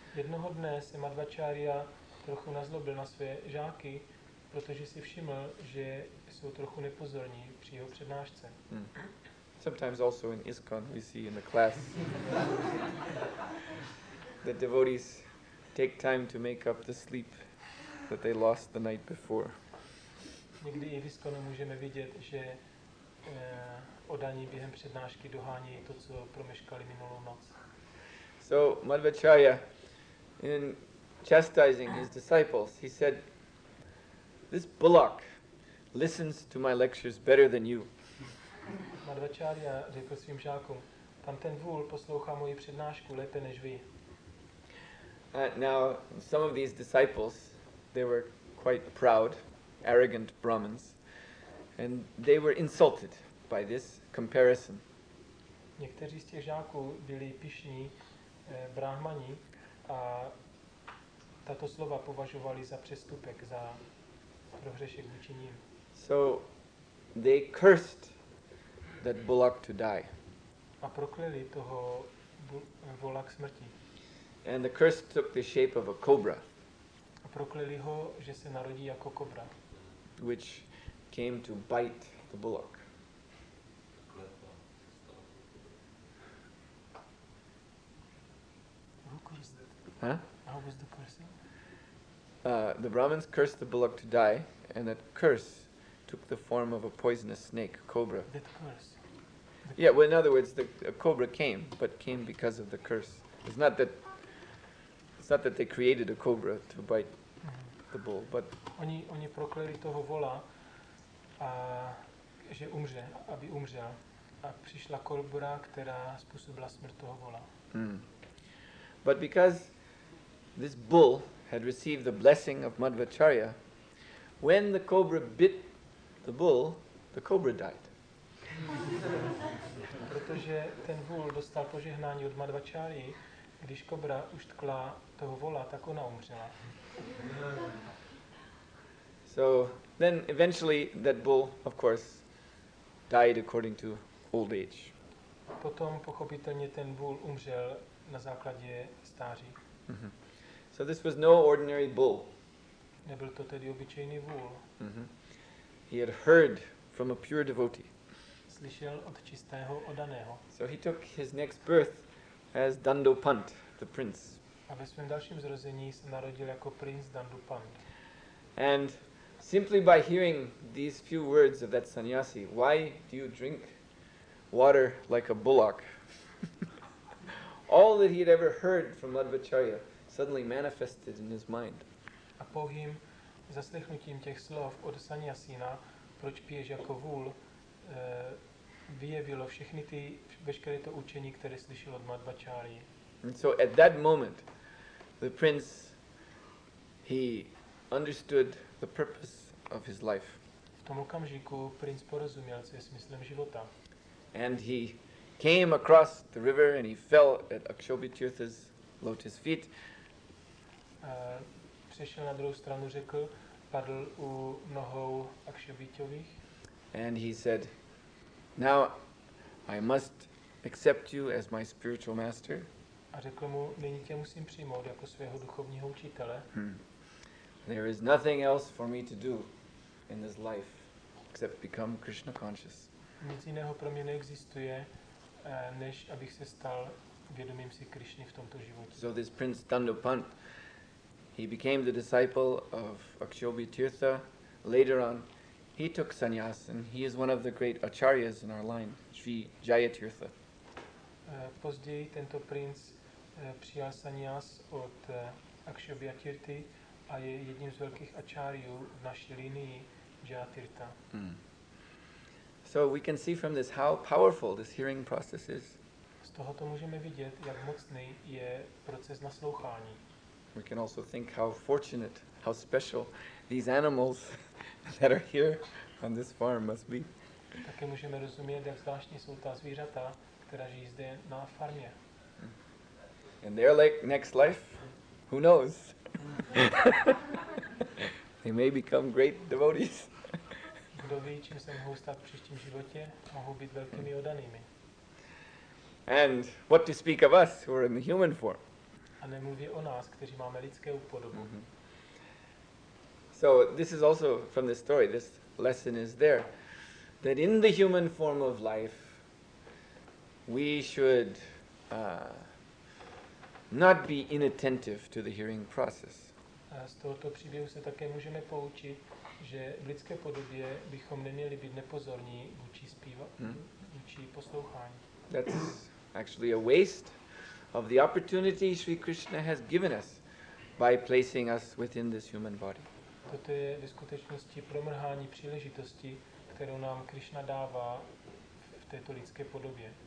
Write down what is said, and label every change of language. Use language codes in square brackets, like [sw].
[cs] Jednoho dne se Madhvacharya trochu nazlobil na své žáky, protože si všiml, že jsou trochu nepozorní při jeho přednášce. [en] Sometimes also in ISKCON we see in the class that devotees take time to make up the sleep that they lost the night before. [cs] Někdy i v ISKCONu můžeme vidět, že odaní během přednášky dohání to, co promeškali minulou noc. [en] So Madhvacharya, in chastising his disciples, he said, "This bullock listens to my lectures better than you." [cs] Madhvacharya řekl svým žákům, "Tamten vůl poslouchá moji přednášku lépe než vy." [en] Now, some of these disciples, they were quite proud, arrogant Brahmins, and they were insulted by this comparison. [cs] Někteří z těch žáků byli pyšní Brahmani a tato slova považovali za přestupek, za prohřešek vůči ním. [en] So they cursed that bullock to die. [cs] A prokleli toho vola k smrti. [en] And the curse took the shape of a cobra. [cs] A prokleli ho, že se narodí jako kobra. [en] Which came to bite the bullock. How was the cursing? The Brahmins cursed the bullock to die, and that curse took the form of a poisonous snake, a cobra. That curse? In other words, a cobra came, but came because of the curse. It's not that they created a cobra to bite the bull, but... [cs] Oni prokleli toho vola, že umře, aby umřel. A přišla kobra, která způsobila smrt toho vola. [en] But because this bull had received the blessing of Madhvacharya, when the cobra bit the bull, the cobra died. [cs] Protože ten vůl dostal požehnání od Madhvacharyi, když kobra uštkla toho vola, tak ona umřela. [en] So then eventually that bull, of course, died according to old age. [cs] Potom pochopitelně ten vůl umřel na základě stáří. [en] So this was no ordinary bull. [cs] Nebyl to tedy obyčejný vůl. [en] He had heard from a pure devotee. [cs] Slyšel od čistého odaného. [en] So he took his next birth as Dandopant, the prince. [cs] A ve svém dalším zrození se narodil jako princ Dandopant. [en] And simply by hearing these few words of that sannyasi, "Why do you drink water like a bullock?" All that he had ever heard from Madhvacharya suddenly manifested in his mind. [cs] A pouhým zaslechnutím těch slov od sannyasína, proč piješ jako vůl, vyjevilo všechny ty veškeré to učení, které slyšel od Madhvacharyi. [en] So at that moment the prince he understood the purpose of his life. [cs] V tom okamžiku princ porozuměl, co je smyslem života. [en] And he came across the river and he fell at Akshobhyatirtha's lotus feet. [cs] Přešel na druhou stranu řekl, padl u nohou Akshobhyatových. [en] And he said, "Now I must accept you as my spiritual master." [cs] A řekl mu, nyní tě musím přijmout jako svého duchovního učitele. [en] There is nothing else for me to do in this life except become Krishna conscious. [cs] Nic jiného pro mě neexistuje, než abych se stal vědomým si Krišny v tomto životě. [en] So this prince Dandopant, he became the disciple of Akshobhyatirtha. Later on, he took sannyas and he is one of the great acharyas in our line, Sri Jayatirtha. [cs] Později tento princ přijal sannyas od Akshobhyatirthy a je jedním z velkých acharyů v naší linii Jayatirtha. [en] So we can see from this how powerful this hearing process is. [cs] Z tohoto můžeme vidět, jak mocný je proces naslouchání. [en] We can also think how fortunate, how special these animals that are here on this farm must be. [cs] Také můžeme rozumět, jak zvláštní jsou ta zvířata, která žijí zde na farmě. [en] And their like next life, who knows? They may become great devotees. [cs] Kdo ví, čím se mohou stát v příštím životě, mohou být velkými oddanými. [en] And what to speak of us who are in the human form? [cs] A nemluví o nás, kteří máme lidské podobu. Mm-hmm. [en] So this is also from this story, this lesson is there, that in the human form of life, we should not be inattentive to the hearing process. [cs] Z tohoto příběhu se také můžeme poučit, že v lidské podobě bychom neměli být nepozorní vůči vůči poslouchání. [en] That's actually a waste of the opportunity Sri Krishna has given us by placing us within this human body. [cs] Toto je ve skutečnosti promrhání příležitosti, kterou nám Krishna dává v této lidské podobě.